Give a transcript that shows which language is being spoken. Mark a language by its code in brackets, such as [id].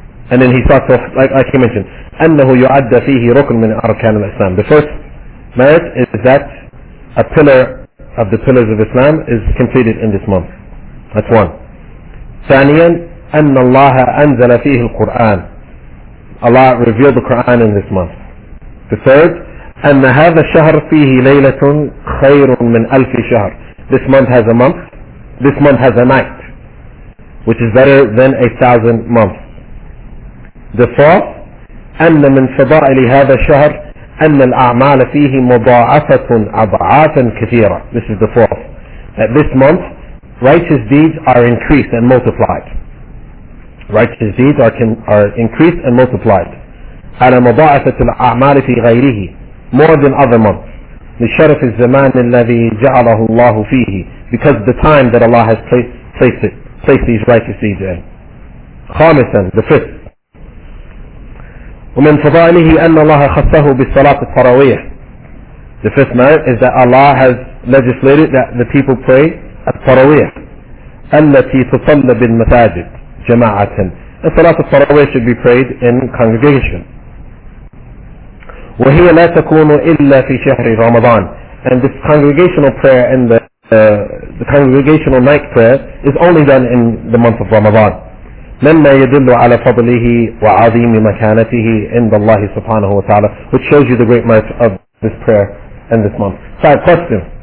[en] And then he starts off like he mentioned. [ar] أنه يعد فيه ركن من أركان الإسلام. [en] The first merit is that a pillar of the pillars of Islam is completed in this month. That's one. [ar] ثانيا أن الله أنزل فيه القرآن. [en] Allah revealed the Quran in this month. The third, [ar] أن هذا الشهر فيه ليلة خير من ألف شهر. [en] This month has a month. This month has a night, which is better than 1,000 months. The fourth, [ar] أن من فضائل هذا الشهر أن الأعمال فيه مضاعفة أضعافا كثيرة. [en] This is the fourth. That this month, righteous deeds are increased and multiplied. Righteous deeds are increased and multiplied. [ar] على مضاعفة الأعمال في غيره. [en] More than other months. [ar] لشرف الزمان الذي جعله الله فيه. [en] Because the time that Allah has placed these righteous deeds in. [ar] خامسا, [en] the fifth. [ar] ومن فضائله أن الله خصه بالصلاة التراوية. [en] The fifth merit is that Allah has legislated that the people pray التراوية. [ar] التي تصلى بالمساجد. جماعة. [en] The Salat al-Taraweeh should be prayed in congregation. [ar] وهي لا تكون إلا في شهر رمضان. [en] And this congregational prayer and the congregational night prayer is only done in the month of Ramadan. [ar] مما يدل على فضله وعظيم مكانته عند الله سبحانه وتعالى. [en] Which shows you the great merit of this prayer and this month. Five questions.